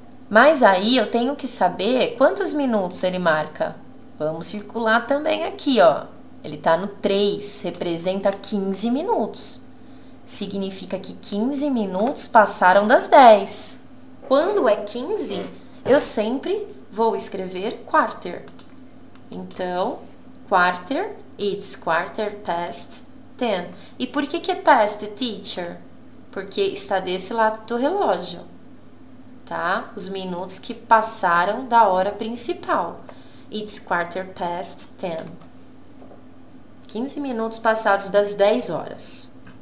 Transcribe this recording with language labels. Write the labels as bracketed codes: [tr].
[pt] Mas aí eu tenho que saber quantos minutos ele marca. Vamos circular também aqui, ó. Ele tá no 3, representa 15 minutos. Significa que 15 minutos passaram das 10. Quando é 15, eu sempre vou escrever quarter. Então, [en] quarter, it's quarter past 10. [pt] E por que que é past, teacher? Porque está desse lado do relógio, tá? Os minutos que passaram da hora principal. [en] It's quarter past 10. [pt] 15 minutos passados das 10 horas.